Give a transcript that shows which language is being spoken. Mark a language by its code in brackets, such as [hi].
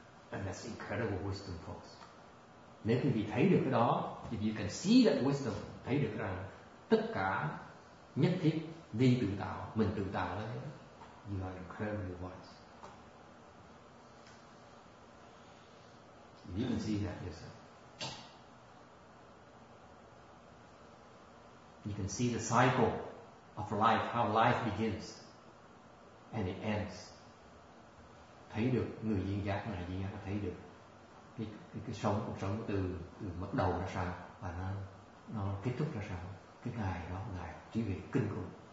[en] And that's incredible wisdom, folks. [vi] Nếu quý vị thấy được cái đó, [en] if you can see that wisdom, [vi] thấy được rằng tất cả nhất thiết vì tự tạo, mình tự tạo đấy, [en] you are incredibly wise. If you can see that yourself, you can see the cycle of life, how life begins and it ends. [vi] Thấy được người duyên giác này, duyên giác thấy được cái sống, cuộc sống từ bắt đầu ra sao và nó kết thúc ra sao, cái ngày đó ngày trí huệ kinh khủng.